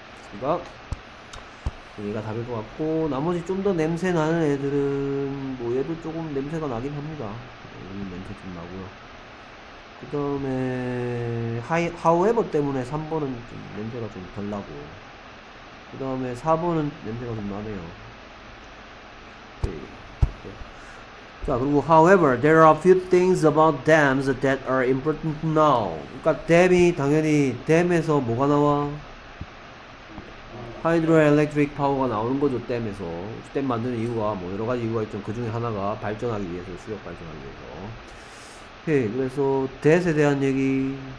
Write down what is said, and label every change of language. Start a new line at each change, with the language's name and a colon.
Korean: 그니까, 얘가 답일 것 같고, 나머지 좀 더 냄새 나는 애들은, 뭐, 얘도 조금 냄새가 나긴 합니다. 냄새 좀 나고요. 그 다음에, however 때문에 3번은 좀 냄새가 좀 덜 나고, 그 다음에 4번은 냄새가 좀 나네요. 네. 자, 그리고
English: however, there are a few things about dams that are important to know.
Korean: 그러니까 댐이 당연히 댐에서 뭐가 나와? Hydroelectric power가 나오는 거죠, 댐에서. 댐 만드는 이유가 뭐 여러 가지 이유가 있죠. 그 중에 하나가 발전하기 위해서, 수력 발전하기 위해서. 오케이, 그래서 that에 대한 얘기.